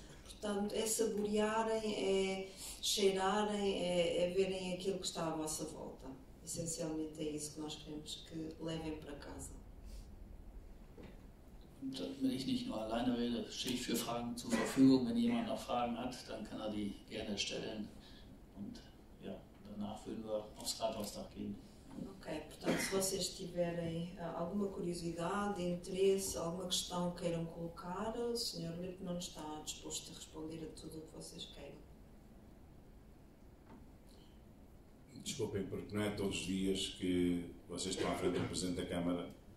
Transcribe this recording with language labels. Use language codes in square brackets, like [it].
[pt] Portanto, é saborearem, é cheirarem, é verem aquilo que está à vossa volta. Essencialmente é isso que nós queremos que levem para casa. [de] Und wenn ich nicht nur alleine rede, stehe ich für Fragen zur Verfügung. Wenn jemand noch Fragen hat, dann kann er die gerne stellen. Und ja, danach würden wir aufs Rathausdach gehen. [pt] Okay, portanto, se vocês tiverem alguma curiosidade, interesse, alguma questão queiram colocar, o Sr. Lippmann está disposto a responder a tudo o que vocês queiram. Desculpem, porque não é todos os dias que vocês estão à frente do Presidente da Câmara.